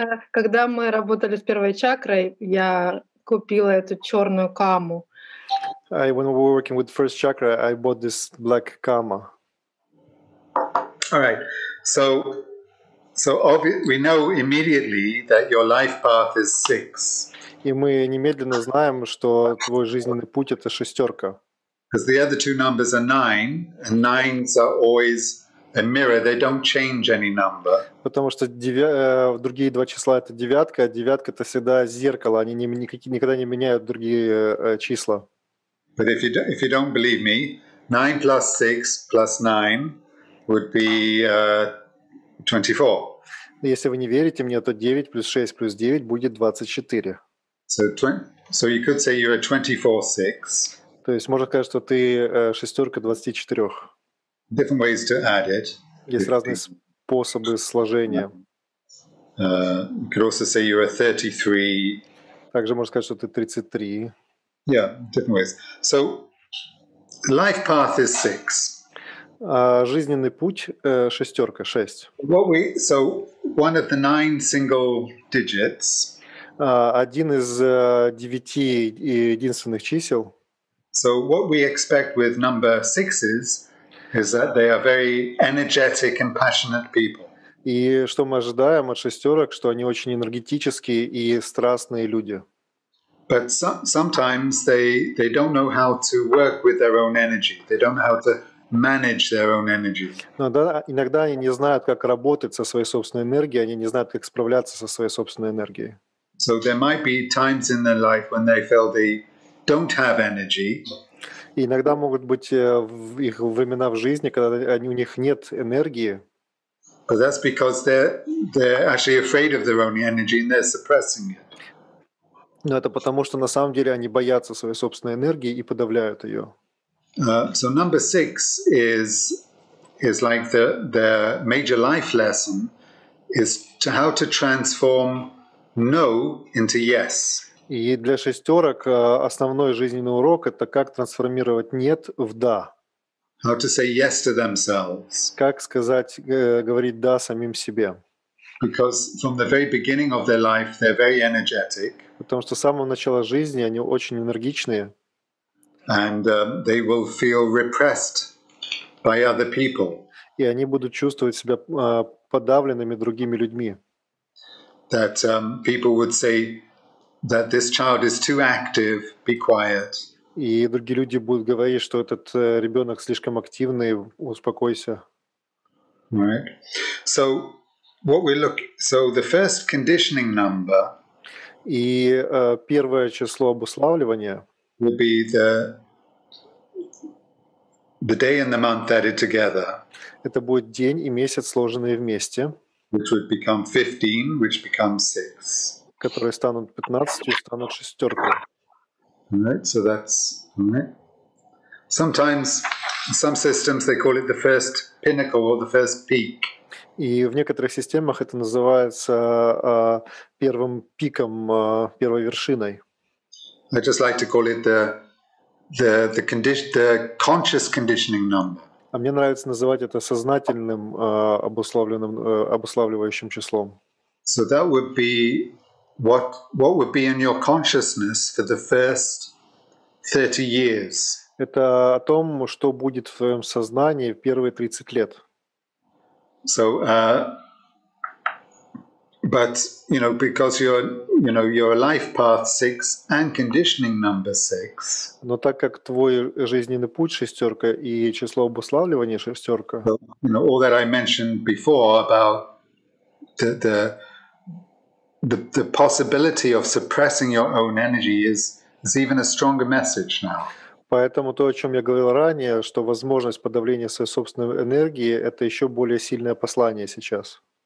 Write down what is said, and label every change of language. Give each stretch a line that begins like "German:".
Russian: Когда мы работали с первой чакрой, я купила эту черную каму.
English: When we were working with first chakra, I bought this black kama. All right. So we know immediately that your life path is six.
Russian: И мы немедленно знаем, что твой жизненный путь это шестерка.
English: Because the other two numbers are nine, and nines are always a mirror. They don't change any number.
Russian: Потому что другие два числа это девятка, а девятка это всегда зеркало. Они никогда не меняют другие числа.
English: But if you don't believe me, 9 plus 6 plus 9 would be 24.
Russian: Если вы не верите мне, то 9 плюс 6 плюс 9 будет 24.
English: So you could say you're a 24-6.
Russian: То есть можно сказать, что ты шестерка 24.
English: Different ways to add it.
Russian: Есть разные способы сложения.
English: You could also say you're a 33.
Russian: Также можно сказать, что ты 33.
English: Yeah, different ways. So, life path is six.
Russian: Жизненный путь шестерка, шесть.
English: So one of the nine single digits.
Russian: Один из девяти единственных чисел.
English: So what we expect with number sixes is that they are very energetic and passionate people.
Russian: И что мы ожидаем от шестерок, что они очень энергетические и страстные люди.
English: But sometimes they don't know how to work with their own energy. They don't know how to manage their own energy.
Russian: Иногда они не знают, как работать со своей собственной энергией, они не знают, как справляться со своей собственной энергией.
English: So there might be times in their life when they feel they don't have energy.
Russian: Иногда могут быть в их времена в жизни, когда у них нет энергии.
English: But that's because they're actually afraid of their own energy and they're suppressing it.
Russian: Но это потому, что на самом деле они боятся своей собственной энергии и подавляют ее.
English: So number six is like the major life lesson is to how to transform no into yes.
Russian: И для шестерок основной жизненный урок это как трансформировать нет в да.
English: How to say yes to themselves.
Russian: Как сказать, говорить да самим себе.
English: Because from the very beginning of their life they're very energetic.
Russian: Потому что с самого начала жизни они очень энергичные.
English: And they will feel repressed by other people.
Russian: И они будут чувствовать себя подавленными другими людьми.
English: That people would say that this child is too active, be quiet.
Russian: И другие люди будут говорить, что этот ребенок слишком активный, успокойся.
English: Right. So what we look. So the first conditioning number.
Russian: И первое число обуславливания
English: would be the day and the month added together.
Russian: Это будет день и месяц, сложенные вместе.
English: Which would become 15, which becomes 6.
Russian: Которые станут 15 и станут шестеркой.
English: Right, so that's right. Sometimes Some systems they call it the first pinnacle or the first peak.
Russian: И в некоторых системах это называется первым пиком, первой вершиной.
English: I just like to call it the conscious conditioning number.
Russian: А мне нравится называть это сознательным обусловленным обуславливающим числом.
English: So that would be what would be in your consciousness for the first 30 years.
Russian: Это о том, что будет в твоем сознании в первые 30 лет.
English: So, but you know, because you're a life path 6 and conditioning number 6.
Russian: Но так как твой жизненный путь шестерка и число обуславливания шестерка.
English: So, you know, all that I mentioned before about the possibility of suppressing your own energy is even a stronger message now.
Russian: Поэтому то, о чем я говорил ранее, что возможность подавления своей собственной энергии — это еще более сильное послание сейчас.